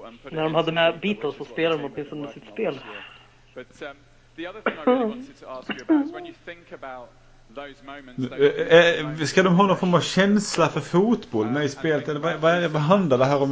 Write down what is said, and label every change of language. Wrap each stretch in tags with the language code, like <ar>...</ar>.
<sv>När de hade med Beatles och spelade de på sitt spel.</sv> <en>The other thing I really wanted to ask you about is when you think about those moments.</en> <sv>Ska de ha någon form av känsla för fotboll med i spelet, eller vad är det, vad handlar det här om?</sv>